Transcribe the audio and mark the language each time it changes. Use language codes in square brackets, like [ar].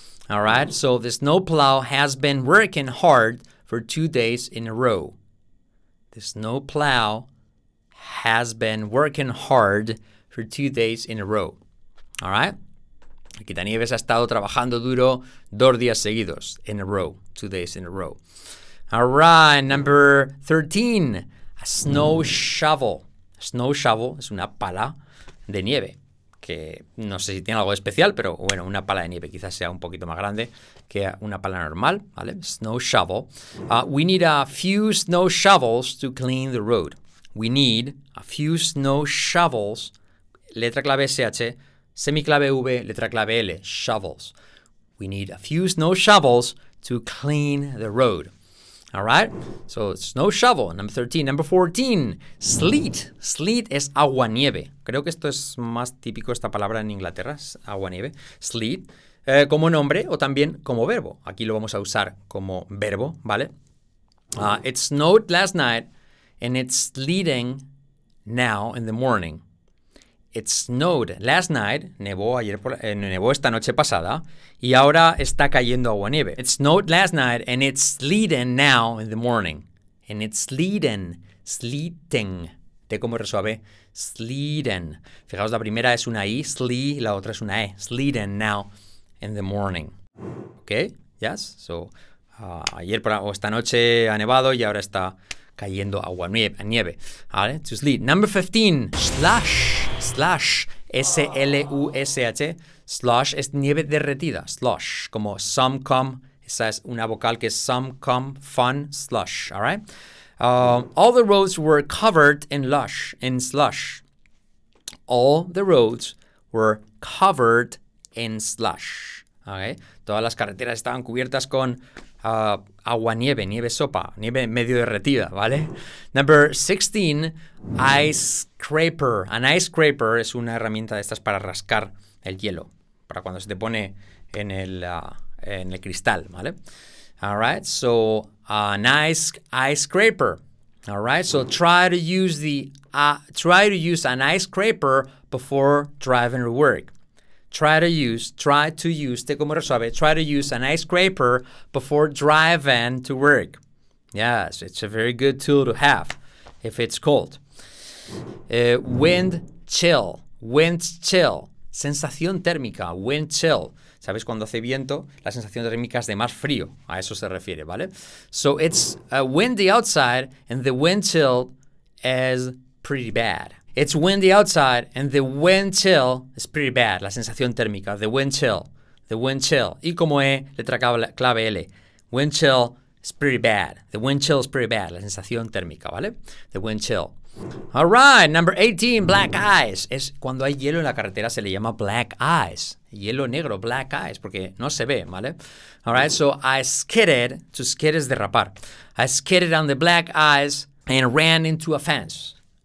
[en] All right, so the snowplow has been working hard for 2 days in a row. The snowplow has been working hard for 2 days in a row. All right? [es] El quitanieves ha estado trabajando duro 2 días seguidos. [en] In a row, 2 days in a row. All right, number 13. A snow shovel. A snow shovel [es] es una pala de nieve. Que no sé si tiene algo especial, pero bueno, una pala de nieve quizás sea un poquito más grande que una pala normal, ¿vale? [en] Snow shovel. We need a few snow shovels to clean the road. We need a few snow shovels. [es] Letra clave SH, semiclave V, letra clave L, [en] shovels. We need a few snow shovels to clean the road. All right? So, snow shovel, number 13. Number 14, sleet. [es] Sleet es agua nieve. Creo que esto es más típico, esta palabra en Inglaterra, es agua nieve. Sleet, como nombre o también como verbo. Aquí lo vamos a usar como verbo, ¿vale? [en] It snowed last night and it's sleeting now in the morning. It snowed last night, [es] nevó esta noche pasada, y ahora está cayendo agua nieve. [en] It snowed last night and it's sleeting now in the morning. And it's sleeting, sleeting. [es] ¿Te cómo resuave? [en] Sleeting. [es] Fijaos, la primera es una I, slee, la otra es una E. [en] Sleeting now in the morning. [es] ¿Ok? ¿Yes? So, ayer por, o esta noche ha nevado y ahora está cayendo agua nieve. ¿Vale? [en] To sleet. Number 15, slush. [es] Slush, S-L-U-S-H, slush es nieve derretida, slush, como [en] some come, esa es una vocal que es some come fun slush, all right? All the roads were covered in slush. All the roads were covered in slush, all right? [es] Todas las carreteras estaban cubiertas con agua nieve, nieve sopa, nieve medio derretida, ¿vale? [en] Number 16, ice scraper. [es] An ice scraper es una herramienta de estas para rascar el hielo, para cuando se te pone en el cristal, ¿vale? [en] All right, so an ice scraper. All right, so try to use an ice scraper before driving to work. Try to use, [es] te como resuave, [en] try to use an ice scraper before driving to work. Yes, it's a very good tool to have if it's cold. Wind chill, sensación térmica, wind chill. ¿Sabes? [es] Cuando hace viento, la sensación térmica es de más frío. A eso se refiere, ¿vale? [en] So it's windy outside and the wind chill is pretty bad. It's windy outside and the wind chill is pretty bad. [es] La sensación térmica, the wind chill, the wind chill. Y como E, letra clave L. [en] Wind chill is pretty bad. The wind chill is pretty bad. [es] La sensación térmica, ¿vale? [en] The wind chill. All right, number 18, black eyes. [es] Es cuando hay hielo en la carretera, se le llama black eyes. Hielo negro, black eyes, porque no se ve, ¿vale? [en] All right, so I skidded, to skid [es] es derrapar. [en] I skidded on the black eyes and ran into a fence.